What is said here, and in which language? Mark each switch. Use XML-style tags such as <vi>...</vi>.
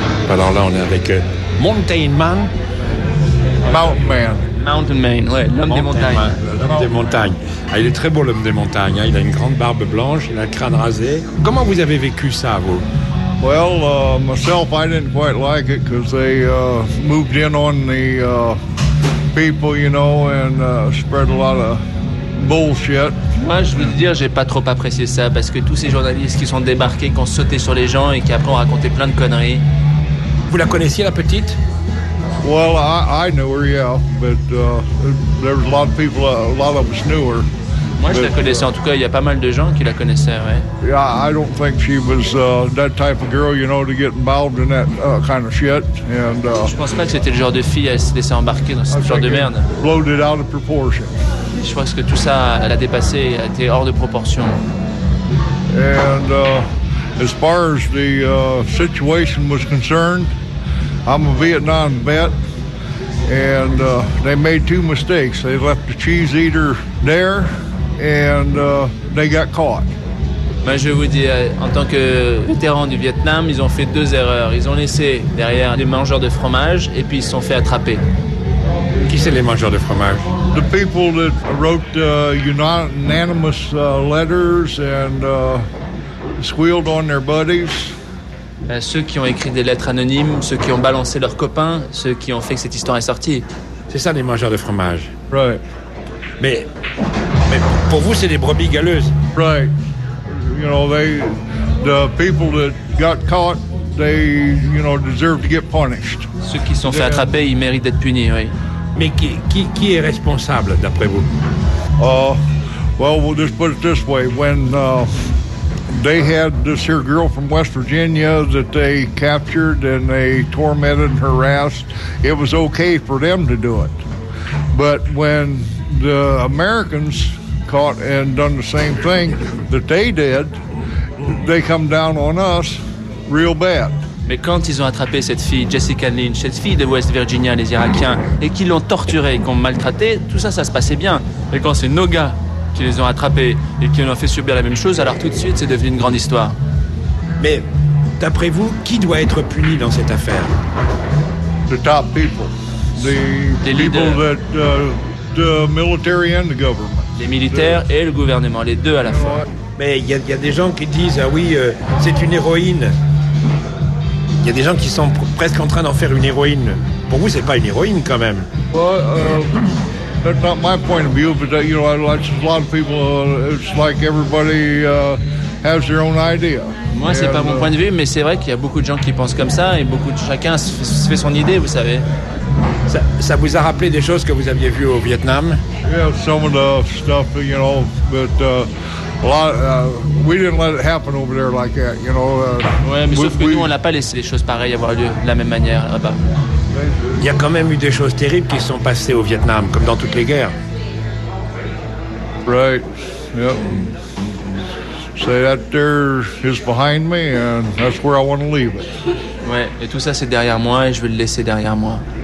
<fr>Alors là, on est avec Mountain Man. Mountain Man. Mountain Man, ouais, l'homme des montagnes. L'homme des montagnes. Ah, il est très beau, l'homme des montagnes. Hein. Il a une grande barbe blanche, il a le crâne rasé. Comment vous avez vécu ça, vous?</fr> <en>Well, myself, I didn't quite like it because they moved in on the people, you know, and spread a lot of bullshit.</en> <fr>Moi, je veux dire, j'ai pas trop apprécié ça parce que tous ces journalistes qui sont débarqués, qui ont sauté sur les gens et qui après ont raconté plein de conneries. Vous la connaissiez, la petite?</fr> <en>Well, I knew her, yeah, but there was a lot of people, a lot of us knew her.</en> <fr>Moi, je la connaissais. En tout cas, il y a pas mal de gens qui la connaissaient, ouais.</fr> <en>Yeah, I don't think she was that type of girl, you know, to get involved in that kind of shit. And</en> <fr>je pense pas que c'était le genre de fille à se laisser embarquer dans ce genre de merde.</fr> <en>Blowed it out of proportion.</en> <fr>Je pense que tout ça, elle a dépassé, elle était hors de proportion.</fr> <en>And as far as the situation was concerned, I'm a Vietnam vet. And they made two mistakes. They left the cheese eater there, and they got caught.</en> <fr>Ben, je vous dis, en tant que vétéran du Vietnam, ils ont fait deux erreurs. Ils ont laissé derrière des mangeurs de fromage, et puis ils se sont fait attraper. Qui c'est les mangeurs de fromage?</fr> <en>The people that wrote unanimous letters and squealed on their buddies.</en> <fr>Ceux qui ont écrit des lettres anonymes, ceux qui ont balancé leurs copains, ceux qui ont fait que cette histoire est sortie. C'est ça, les mangeurs de fromage.</fr> <en>Right.</en> <fr>Mais pour vous, c'est des brebis galeuses.</fr> <en>Right. You know, the people that got caught, they, you know, deserve to get punished.</en> <fr>Ceux qui sont fait attraper, ils méritent d'être punis, oui. Mais qui est responsable, d'après vous?</fr> <en>Well, we'll just put it this way. They had this here girl from West Virginia that they captured and they tormented and harassed. It was okay for them to do it. But when the Americans caught and done the same thing that they did, they come down on us real bad.</en> <fr>Mais quand ils ont attrapé cette fille, Jessica Lynch, cette fille de West Virginia, les Irakiens, et qu'ils l'ont torturée, qu'ils l'ont maltraitée, tout ça, ça se passait bien. Mais quand c'est nos gars qui les ont attrapés et qui ont fait subir la même chose, alors tout de suite, c'est devenu une grande histoire. Mais, d'après vous, qui doit être puni dans cette affaire?</fr> <en>The top people. The</en> <fr>des</fr> <en>people leaders. That, the military and the government.</en> <fr>Les militaires et le gouvernement, les deux à la fois. Mais il y a des gens qui disent, ah oui, c'est une héroïne. Il y a des gens qui sont presque en train d'en faire une héroïne. Pour vous, c'est pas une héroïne, quand même.</fr> <en>That's not my point of view, but you know, like a lot of people, it's like everybody has their own idea.</en> <fr>Moi, c'est pas mon point de vue, mais c'est vrai qu'il y a beaucoup de gens qui pensent comme ça, et beaucoup de chacun se fait son idée, vous savez. Ça vous a rappelé des choses que vous aviez vues au Vietnam?</fr> <en>Yeah, some of the stuff, you know, but a lot. We didn't let it happen over there like that, you know.</en> <fr>Sauf que nous, on n'a pas laissé les choses pareilles avoir lieu de la même manière là-bas. Il y a quand même eu des choses terribles qui se sont passées au Vietnam, comme dans toutes les guerres.</fr> <en>Right. Yep. Say that there is behind me, and that's where I want to leave it.</en> <fr>Ouais, et tout ça c'est derrière moi, et je veux le laisser derrière moi.</fr>